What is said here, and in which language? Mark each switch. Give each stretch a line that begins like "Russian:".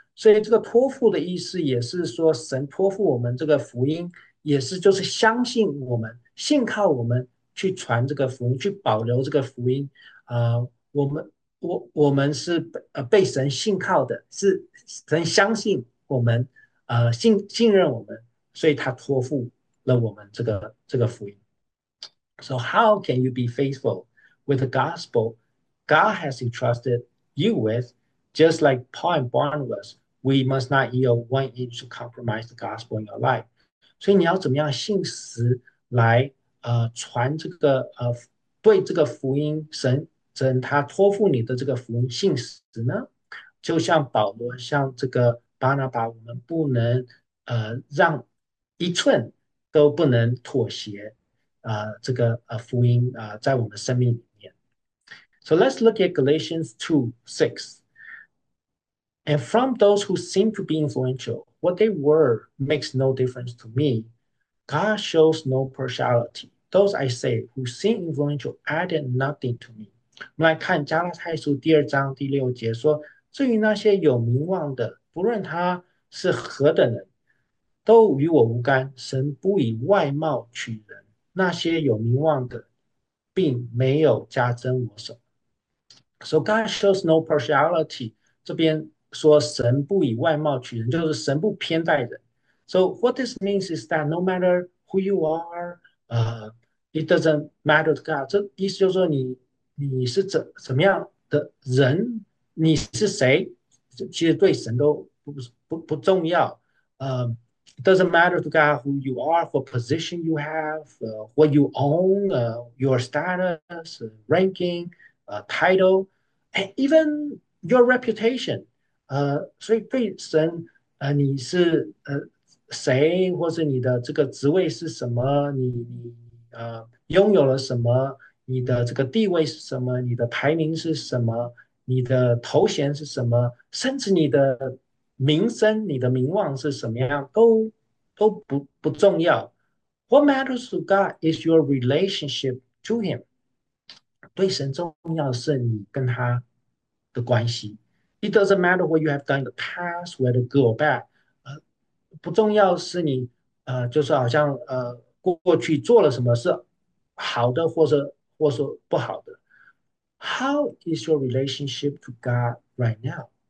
Chinese: 所以，这个托付的意思也是说，神托付我们这个福音，也是就是相信我们，信靠我们。去传这个福音，去保留这个福音，我们是被神信靠的，是神相信我们，信任我们，所以他托付了我们这个福音。
English: So how can you be faithful with the gospel God has entrusted you with? Just like Paul and Barnabas, we must not yield 1 inch to compromise the gospel in your life.
Chinese: 所以你要怎么样信实来？传这个对这个福音，神他托付你的这个福音信实呢？就像保罗，像这个巴拿巴，我们不能让一寸都不能妥协，这个福音在我们生命里面。
English: So let's look at Galatians 2:6. And from those who seem to be influential, what they were makes no difference to me. God shows no partiality. Those I say who seem influential added nothing to me。
Chinese: 我们来看加拉太书2:6说：“至于那些有名望的，不论他是何等人，都与我无干。神不以外貌取人，那些有名望的，并没有加增我什么。
English: ”So God shows no partiality。
Chinese: 这边说神不以外貌取人，就是神不偏待人。
English: So what this means is that no matter who you are, It doesn't matter to God。
Chinese: 这意思就是说你是怎么样的人，你是谁，其实对神都不重要。
English: It doesn't matter to God who you are, what position you have, what you own, your status, ranking, title, and even your reputation.
Chinese: 所以对神，你是谁，或者你的这个职位是什么？你拥有了什么？你的这个地位是什么？你的排名是什么？你的头衔是什么？甚至你的名声、你的名望是什么样，都不重要。
English: What matters to God is your relationship to Him。
Chinese: 对神重要的是你跟他的关系。
English: It doesn't matter what you have done in the past, whether good or bad。
Chinese: 不重要是你就是好像过去做了什么事，好的或者不好的。
English: How is your relationship to God right now？